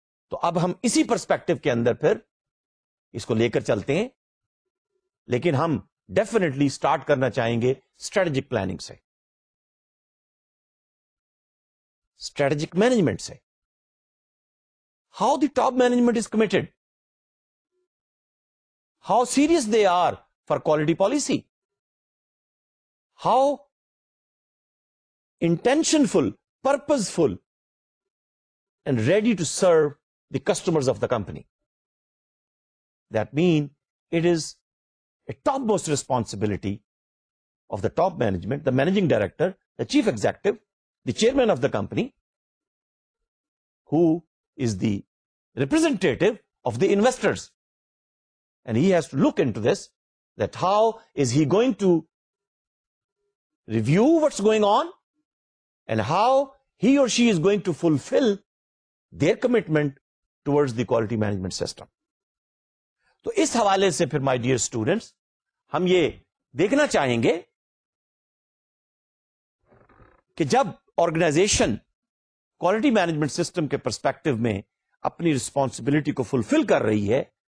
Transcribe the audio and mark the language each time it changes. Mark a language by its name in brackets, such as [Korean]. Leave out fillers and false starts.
[Urdu] تو اب ہم اسی پرسپیکٹو کے اندر پھر اس کو لے کر چلتے ہیں, لیکن ہم ڈیفینیٹلی اسٹارٹ کرنا چاہیں گے اسٹریٹجک پلاننگ سے, اسٹریٹجک مینجمنٹ سے. [English] How the top management is committed, how serious they are for quality policy, how intentionful, purposeful and ready to serve the customers of the company. That mean it is a topmost responsibility of the top management, the managing director, the chief executive, the chairman of the company, who is the representative of the investors. And he has to look into this, that how is he going to review what's going on and how he or she is going to fulfill their commitment towards the quality management system. [Urdu] To is hawale se phir, [English] my dear students, [Urdu] hum ye dekhna chahenge ki jab organization quality management system کے perspective میں اپنی responsibility کو فلفل کر رہی ہے,